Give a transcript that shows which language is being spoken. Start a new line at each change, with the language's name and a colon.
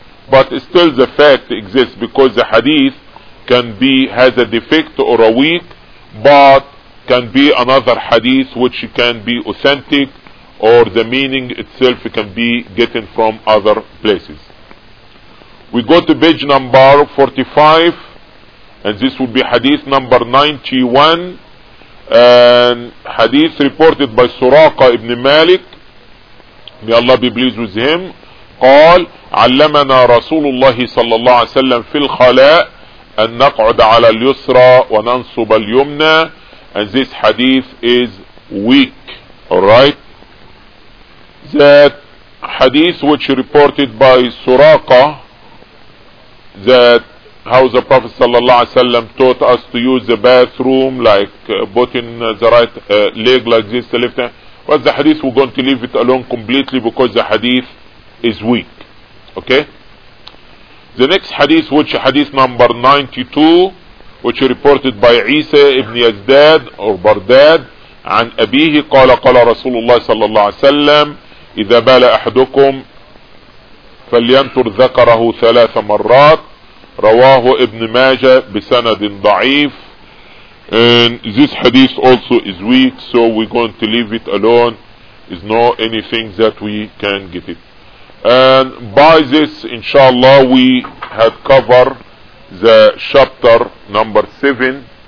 English: But still the fact exists, because the hadith can be, has a defect or a weak, but can be another hadith which can be authentic, or the meaning itself can be getting from other places. We go to page number 45, and this will be hadith number 91, and hadith reported by Suraqa ibn Malik, may Allah be pleased with him.
Arabic: قال علمنا رسول الله صلى الله عليه وسلم في الخلاء أن نقعد على اليسرى وننصب اليمنى.
English: And this hadith is weak. Alright, that hadith which reported by Suraqa, that how the Prophet صلى الله عليه وسلم taught us to use the bathroom, like putting the right leg like this, the left hand. But the hadith, we're going to leave it alone completely, because the hadith is weak. Okay, the next hadith, which hadith number 92, which reported by Isa ibn Yazdad or Bardad,
Arabic: عن أبيه قال قال رسول الله صلى الله عليه وسلم إذا بال أحدكم فلينتر ذكره ثلاث مرات. رواه ابن ماجة بسند ضعيف.
English: And this hadith also is weak, so we're going to leave it alone. Is not anything that we can get it. And by this, inshallah, we had covered the chapter number 7.